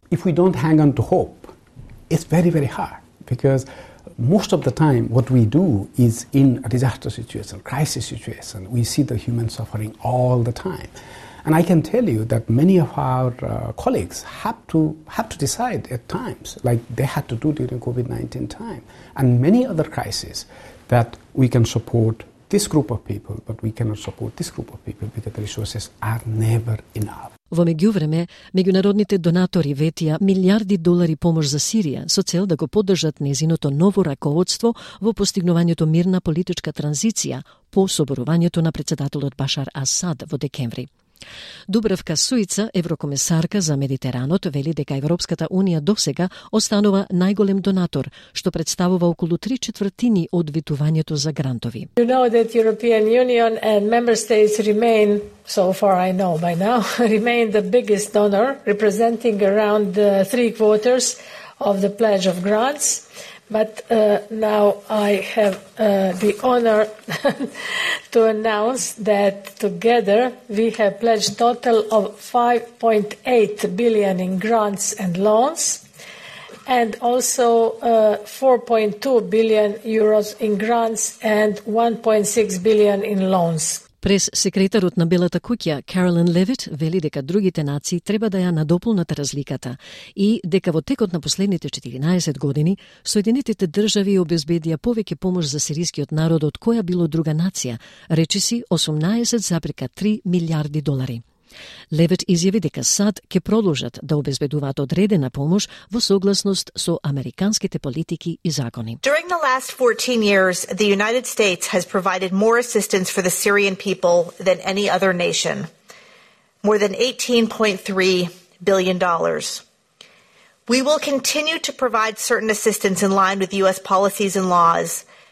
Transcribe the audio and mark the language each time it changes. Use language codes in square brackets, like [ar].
[en] If we don't hang on to hope, it's very, very hard, because most of the time what we do is in a disaster situation, crisis situation, we see the human suffering all the time. And I can tell you that many of our colleagues have to decide at times, like they had to do during COVID-19 time, and many other crises, that we can support this group of people, but we cannot support this group of people because the resources are never enough. [mk] Во меѓувреме, меѓународните донатори ветија милиарди долари помош за Сирија со цел да го поддржат незиното ново раководство во постигнувањето мирна политичка транзиција по соборувањето на председателот Башар Асад во декември. Дубравка Суица, еврокомесарка за Медитеранот, вели дека Европската Унија досега останува најголем донатор, што представува околу 3/4 од витувањето за грантови. [en] You know that European Union and member states remain, so far I know by now, remain the biggest donor, representing around 3/4 of the pledge of grants. But now I have the honor to announce that together we have pledged total of 5.8 billion in grants and loans, and also 4.2 billion euros in grants and 1.6 billion in loans. [mk] Прес секретарот на Белата куќа, Каролин Левит, вели дека другите нации треба да ја надополнат разликата и дека во текот на последните 14 години Соединетите држави обезбедија повеќе помош за сирискиот народ од која било друга нација, речиси 18,3 милиарди долари. Левит изјави дека САД ќе продолжат да обезбедуваат одредена помош во согласност со американските политики и закони. [en] During the last 14 years, the United States has provided more assistance for the Syrian people than any other nation. More than $18.3 billion. We will continue to provide certain assistance in line with US policies and laws.